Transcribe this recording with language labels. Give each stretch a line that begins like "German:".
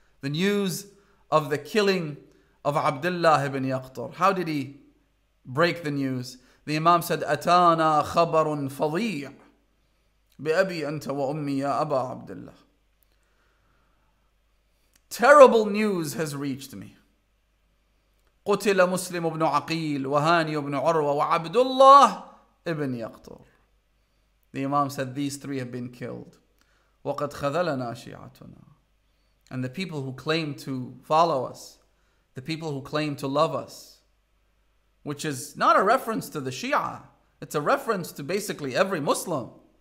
English: The news of the killing of Abdullah ibn Yaqtar. How did he break the news? The Imam said,
Arabic: Atana khabarun fadi' bi abi anta wa ummi ya Aba Abdullah.
English: Terrible news has reached me.
Arabic: قتل مسلم بن عقيل وهاني بن عروة وعبد الله ابن يقطر.
English: The Imam said, these three have been killed.
Arabic: وَقَدْ خَذَلَنَا شِيَعَتُنَا.
English: And the people who claim to follow us, the people who claim to love us, which is not a reference to the Shia, it's a reference to basically every Muslim.